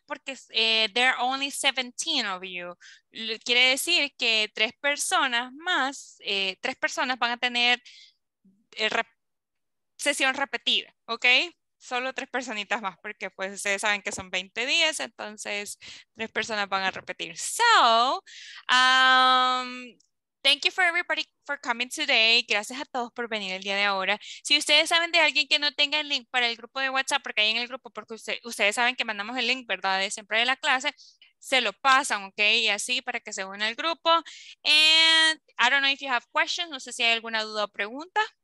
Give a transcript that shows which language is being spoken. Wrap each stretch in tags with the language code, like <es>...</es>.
<es>Porque</es> <en>there are only 17 of you.</en> <es>Quiere decir que tres personas van a tener sesión repetida, ¿ok? Solo tres personitas más, porque pues ustedes saben que son 20 días, entonces tres personas van a repetir.</es> <en>So, thank you for everybody for coming today.</en> <es>Gracias a todos por venir el día de ahora. Si ustedes saben de alguien que no tenga el link para el grupo de WhatsApp, porque hay en el grupo, porque ustedes saben que mandamos el link, ¿verdad? De siempre de la clase, se lo pasan, ¿ok? Y así para que se una al grupo.</es> <en>And I don't know if you have questions,</en> <es>no sé si hay alguna duda o pregunta.</es>